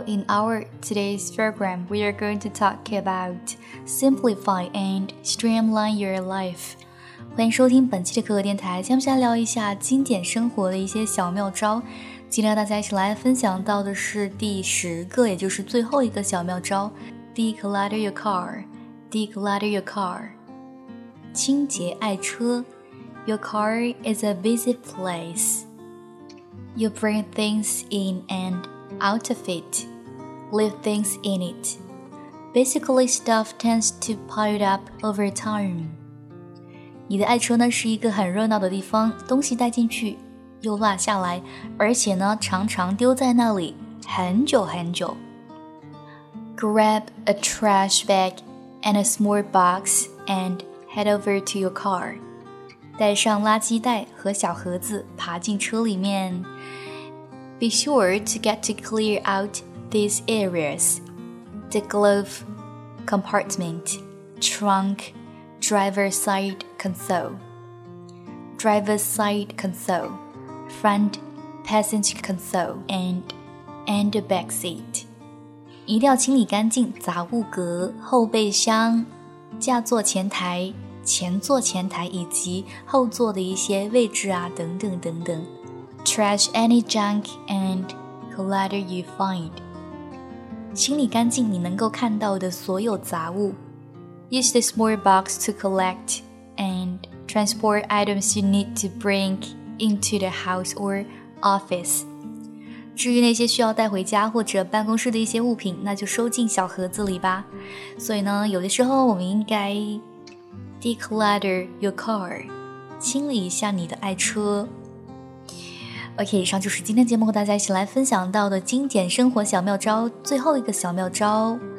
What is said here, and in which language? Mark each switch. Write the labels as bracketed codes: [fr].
[en] In our today's program, we are going to talk about simplify and streamline your life. [zh] 欢迎收听本期的可可电台，接下来聊一下精简生活的一些小妙招。今天和大家一起来分享到的是第十个，也就是最后一个小妙招 ： [en] declutter your car. Declutter your car. [zh] 清洁爱车。 [en] Your car is a busy place. You bring things in and out of it, leave things in it. Basically, stuff tends to pile up over time. [zh] 你的爱车呢是一个很热闹的地方，东西带进去又落下来，而且呢常常丢在那里很久很久。 [en] Grab a trash bag and a small box and head over to your car. [zh] 带上垃圾袋和小盒子，爬进车里面。 [en] Be sure to get to clear out these areas. The glove compartment, trunk, driver's side console, driver's side console, front passenger console, and the back seat. [zh] 一定要清理干净杂物格、后备箱、驾座前台、前座前台以及后座的一些位置啊，等等等等。 [en] Trash any junk and clutter you find. [zh] 清理干净你能够看到的所有杂物。 [en] Use the small box to collect and transport items you need to bring into the house or office. [zh] 至于那些需要带回家或者办公室的一些物品，那就收进小盒子里吧。所以呢，有的时候我们应该 [en] declutter your car. [zh] 清理一下你的爱车。 OK, 以上就是今天节目和大家一起来分享到的精简生活小妙招，最后一个小妙招。